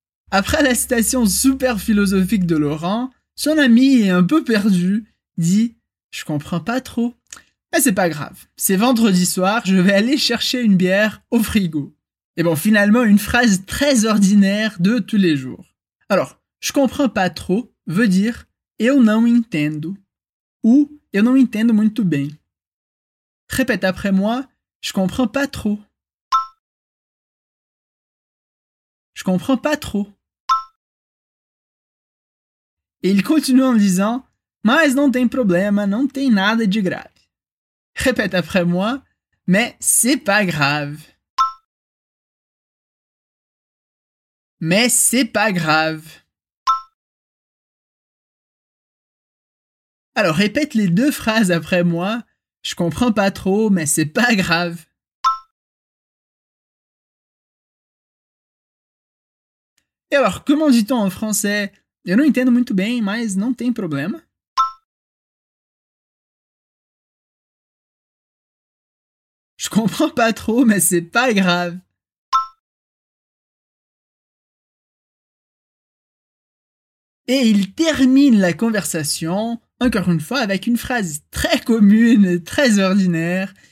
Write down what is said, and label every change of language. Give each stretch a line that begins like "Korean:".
French: Après la citation super philosophique de Laurent, son ami est un peu perdu, dit « Je comprends pas trop ». Mais c'est pas grave, c'est vendredi soir, je vais aller chercher une bière au frigo. Et bon, finalement, une phrase très ordinaire de tous les jours. Alors, « je comprends pas trop » veut dire «
Portuguese: eu não entendo
French: » ou «
Portuguese: eu não entendo muito bem ».
French: Répète après moi « je comprends pas trop ». Je comprends pas trop. Et il continue en disant
Portuguese: « mas não tem problema, não tem nada de grave ».
French: Répète après moi « mais c'est pas grave ». Mais c'est pas grave. Alors répète les deux phrases après moi. Je comprends pas trop, mais c'est pas grave. Et alors, comment dit-on en français?
Portuguese: Eu não entendo muito bem, mas não tem problema.
French: Je comprends pas trop, mais c'est pas grave. Et il termine la conversation, encore une fois, avec une phrase très commune, très ordinaire.